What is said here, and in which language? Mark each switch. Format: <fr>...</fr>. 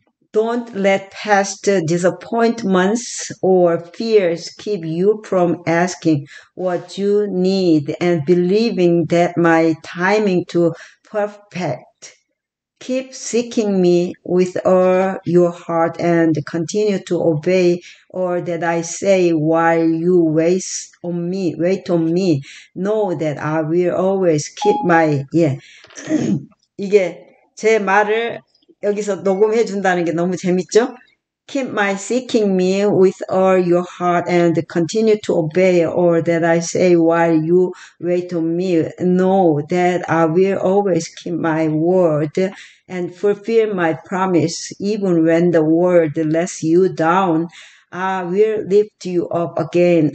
<en>Don't let past disappointments or fears keep you from asking what you need and believing that my timing to perfect. Keep seeking me with all your heart and continue to obey all that I say while you wait on me. Know that I will always keep my, 예.</en> <ko>이게 제 말을 여기서 녹음해 준다는 게 너무 재밌죠?</ko> <en>Keep my seeking me with all your heart and continue to obey all that I say while you wait on me. Know that I will always keep my word and fulfill my promise. Even when the world lets you down, I will lift you up again.</en>